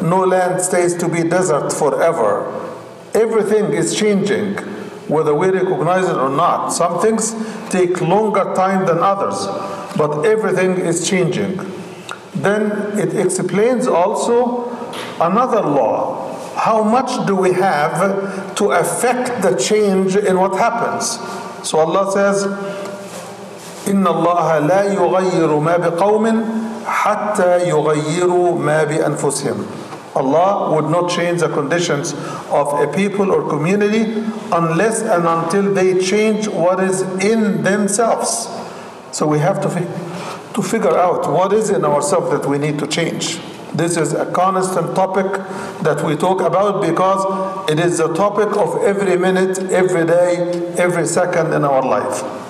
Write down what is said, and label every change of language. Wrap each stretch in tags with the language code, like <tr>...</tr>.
<en>No land stays to be desert forever. Everything is changing, whether we recognize it or not. Some things take longer time than others, but everything is changing. Then it explains also another law. How much do we have to affect the change in what happens? So Allah says,</en> <ar>إن الله لا يغير ما بقوم حتى يغيروا ما بأنفسهم.</ar> <en>Allah would not change the conditions of a people or community unless and until they change what is in themselves. So we have to figure out what is in ourselves that we need to change. This is a constant topic that we talk about because it is the topic of every minute, every day, every second in our life.</en>